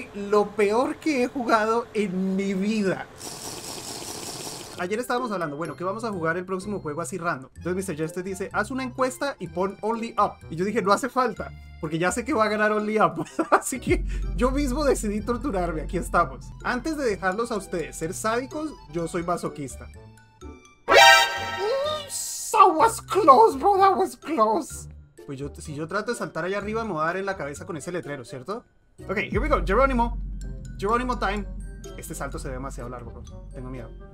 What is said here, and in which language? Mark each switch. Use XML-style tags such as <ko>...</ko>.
<es>Lo peor que he jugado en mi vida. Ayer estábamos hablando, bueno, ¿qué vamos a jugar el próximo juego así random? Entonces Mr. Jester dice, haz una encuesta y pon Only Up. Y yo dije, no hace falta, porque ya sé que va a ganar Only Up. Así que yo mismo decidí torturarme, aquí estamos. Antes de dejarlos a ustedes ser sádicos, yo soy masoquista.</es> <en>That was close, bro, that was close.</en> <es>Pues yo, si yo trato de saltar allá arriba, me voy a dar en la cabeza con ese letrero, ¿cierto?</es> <en>Ok, here we go, Geronimo. Geronimo time.</en> <es>Este salto se ve demasiado largo, bro. Tengo miedo.</es>